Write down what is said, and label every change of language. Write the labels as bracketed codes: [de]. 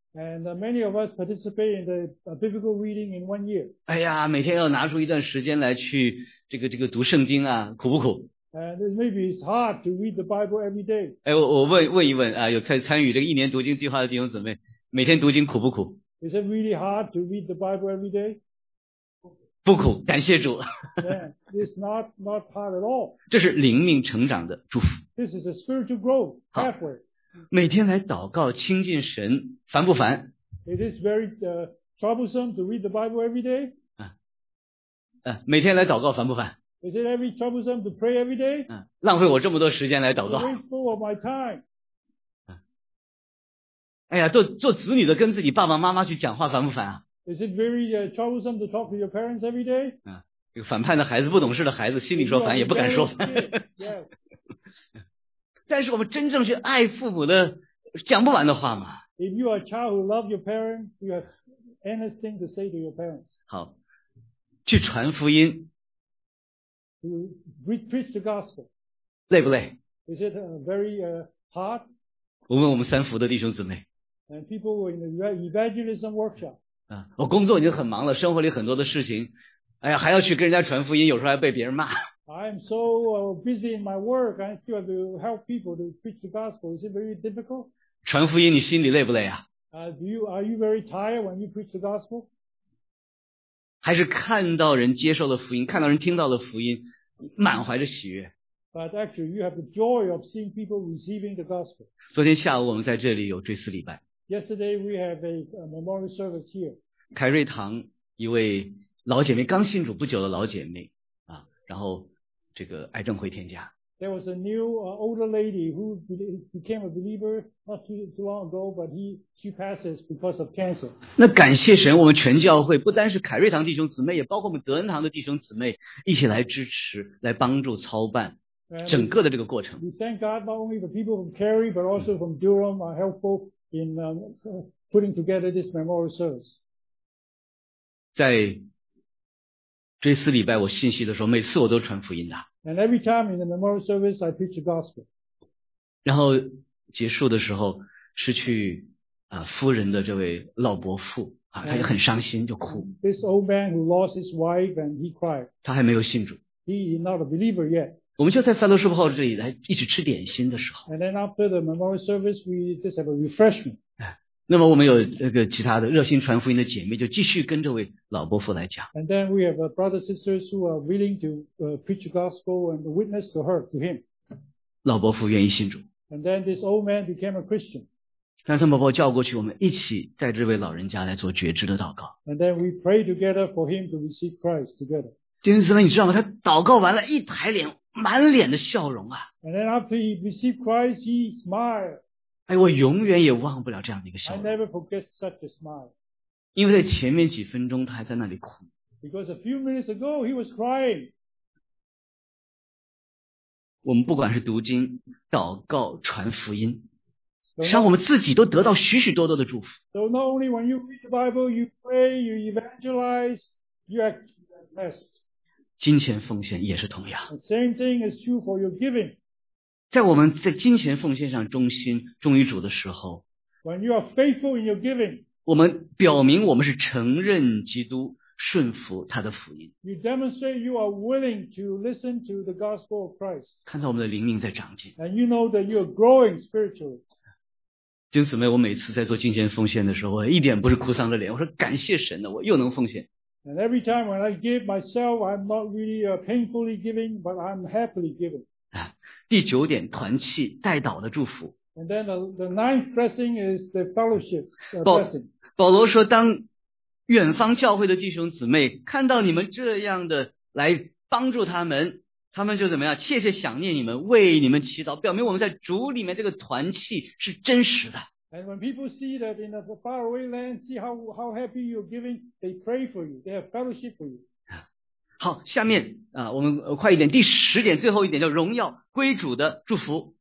[en] And many of us participate in the biblical reading in one year. [zh] 哎呀，每天要拿出一段时间来去这个读圣经啊，苦不苦？ [en] And maybe it's hard to read the Bible every day. [zh] 哎，我问一问啊，有参与这个一年读经计划的弟兄姊妹，每天读经苦不苦？ [en] Is it really hard to read the Bible every day? [zh] 不苦，感谢主。 [en] Yeah, it's not hard at all. [zh] 这是灵命成长的祝福。 [en] This is a spiritual growth effort. [zh] 每天来祷告亲近神，烦不烦？ [en] It is very troublesome to read the Bible every day. [zh] 每天来祷告烦不烦？ [en] Is it very troublesome to pray every day? [zh] 浪费我这么多时间来祷告。 [en] It's wasteful of my time. [zh] 哎呀，做子女的跟自己爸爸妈妈去讲话烦不烦啊？ [en] Is it very troublesome to talk to your parents every day? [zh] 这个反叛的孩子，不懂事的孩子，心里说烦也不敢说。 [en] Yes. [zh] 但是我们真正去爱父母的，讲不完的话嘛。 [en] If you are a child who loves your parents, you have endless things to say to your parents. [zh] 好，去传福音。 [en] To preach the gospel. [zh] 累不累？ [en] Is it very hard? [zh] 我问我们三福的弟兄姊妹。 [en] And people were in the evangelism workshop. [zh] 我工作已经很忙了，生活里很多的事情，哎呀，还要去跟人家传福音，有时候还被别人骂。 [en] I'm so busy in my work, I still have to help people to preach the gospel. Is it very difficult? [zh] 传福音你心里累不累啊？ [en] Are you very tired when you preach the gospel? [zh] 还是看到人接受了福音，看到人听到了福音，满怀着喜悦。 [en] But actually, you have the joy of seeing people receiving the gospel. [zh] 昨天下午我们在这里有追思礼拜。 [en] Yesterday we have a memorial service here. [zh] 凯瑞堂一位老姐妹，刚信主不久的老姐妹啊，然后这个癌症回天家。 [en] There was a new older lady who became a believer not too long ago, but she passes because of cancer. [zh] 那感谢神，我们全教会不单是凯瑞堂弟兄姊妹，也包括我们德恩堂的弟兄姊妹一起来支持，来帮助操办。整个的这个过程。 [en] We thank God not only the people from Cary but also from Durham are helpful. In putting together this memorial service. [zh] 在这四礼拜我信息的时候，每次我都传福音的。 [en] And every time in the memorial service, I preach the gospel. [zh] 然后结束的时候，是去夫人的这位老伯父啊，他就很伤心，就哭。 [en] This old man who lost his wife and he cried. [zh] 他还没有信主。 [en] He is not a believer yet. [zh] 我们就在 Fellowship Hall 这里来一起吃点心的时候。 [en] And then after the memorial service, we just have a refreshment. [zh] 那么我们有那个其他的热心传福音的姐妹就继续跟这位老伯父来讲。 [en] And then we have brothers and sisters who are willing to preach gospel and witness to her, to him. [zh] 老伯父愿意信主。 [en] And then this old man became a Christian. [zh] 但他们把我叫过去，我们一起在这位老人家来做觉知的祷告。 [en] And then we pray together for him to receive Christ together. [zh] 弟兄姊妹，你知道吗？他祷告完了，一抬脸。满脸的笑容啊。 [en] And then after he received Christ, he smiled. [zh] 哎，我永远也忘不了这样的一个笑容。 [en] I never forget such a smile. [zh] 因为在前面几分钟他还在那里哭。 [en] Because a few minutes ago, he was crying. [zh] 我们不管是读经、祷告、传福音，让我们自己都得到许许多多的祝福。 [en] So not only when you read the Bible, you pray, you evangelize, you act blessed. [zh] 金钱奉献也是同样。 [en] Same thing is true for your giving. [zh] 在我们在金钱奉献上忠心忠于主的时候， [en] When you are faithful in your giving, [zh] 我们表明我们是承认基督顺服他的福音。 [en] You demonstrate you are willing to listen to the gospel of Christ. [zh] 看到我们的灵命在长进。 [en] And you know that you are growing spiritually. [zh] 弟兄姊妹，我每次在做金钱奉献的时候，我一点不是哭丧着脸，我说感谢神的，我又能奉献。 [en] And every time when I give myself, I'm not really painfully giving, but I'm happily giving. [zh] 第九点，团契，代祷的祝福。 [en] And then the ninth blessing is the fellowship blessing. [zh] 保罗说，当远方教会的弟兄姊妹看到你们这样的来帮助他们，他们就怎么样？切切想念你们，为你们祈祷，表明我们在主里面这个团契是真实的。 [en] And when people see that in a faraway land, see how happy you're giving, they pray for you, they have fellowship for you. [zh] 好，下面我们快一点，第十点，最后一点叫荣耀归主的祝福。